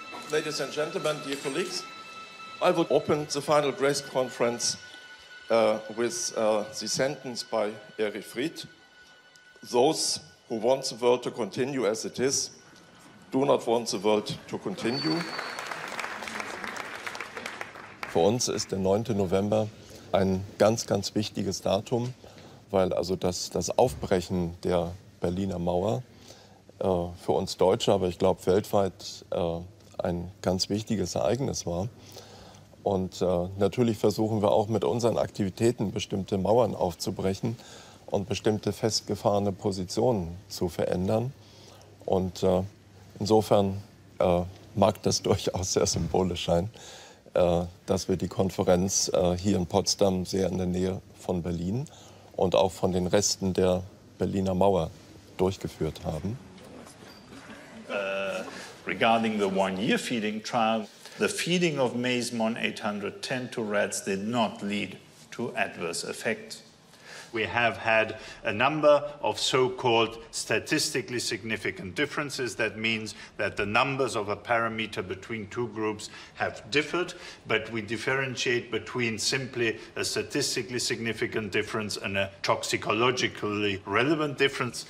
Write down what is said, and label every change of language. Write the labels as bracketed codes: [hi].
[en] Ladies and gentlemen, dear colleagues, I would open the final GRACE conference with the sentence by Erich Fried. Those who want the world to continue as it is, do not want the world to continue. [de] Für uns ist der 9. November ein ganz, ganz wichtiges Datum, weil also das Aufbrechen der Berliner Mauer für uns Deutsche, aber ich glaube weltweit, ein ganz wichtiges Ereignis war. Und natürlich versuchen wir auch mit unseren Aktivitäten bestimmte Mauern aufzubrechen und bestimmte festgefahrene Positionen zu verändern. Und insofern mag das durchaus sehr symbolisch sein, dass wir die Konferenz hier in Potsdam sehr in der Nähe von Berlin und auch von den Resten der Berliner Mauer durchgeführt haben. [en] Regarding the one-year feeding trial, the feeding of maize Mohn 810 to rats did not lead to adverse effects. We have had a number of so-called statistically significant differences. That means that the numbers of a parameter between two groups have differed, but we differentiate between simply a statistically significant difference and a toxicologically relevant difference.